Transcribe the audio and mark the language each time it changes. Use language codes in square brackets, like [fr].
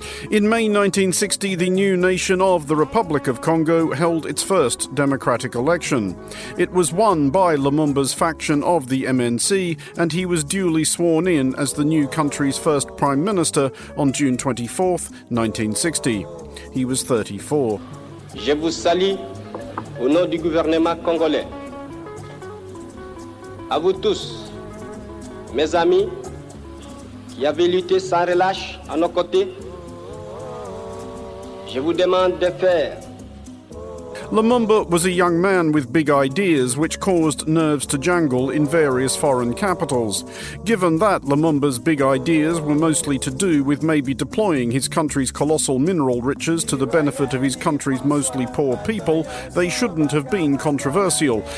[en] In May 1960, the new nation of the Republic of Congo held its first democratic election. It was won by Lumumba's faction of the MNC, and he was duly sworn in as the new country's first prime minister on June 24, 1960. He was 34. [fr] Je vous salue au nom du gouvernement congolais. À vous tous, mes amis, qui avez lutté sans relâche à nos côtés. Je vous demande de faire. [en] Lumumba was a young man with big ideas which caused nerves to jangle in various foreign capitals. Given that Lumumba's big ideas were mostly to do with maybe deploying his country's colossal mineral riches to the benefit of his country's mostly poor people, they shouldn't have been controversial.